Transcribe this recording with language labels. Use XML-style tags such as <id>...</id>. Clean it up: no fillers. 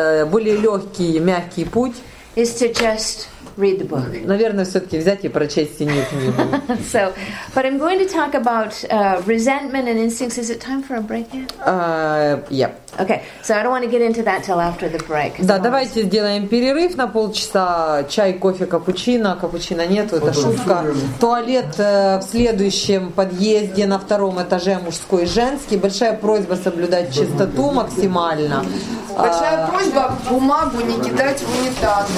<ru>более легкий, мягкий путь</ru> <en>is to just read the book.</en> <ru>Наверное, все-таки взять и прочесть синюю книгу.</ru> <en>So, but I'm going to talk about resentment and instincts. Is it time for a break yet? Yeah. Okay. So I don't want to get into that till after the break.</en> <ru>Да, давайте сделаем перерыв на полчаса. Чай, кофе, капучино. Капучино нету, это шутка. Туалет в следующем подъезде на втором этаже мужской и женский. Большая просьба соблюдать чистоту максимально. Большая просьба бумагу не кидать в унитаз.</ru>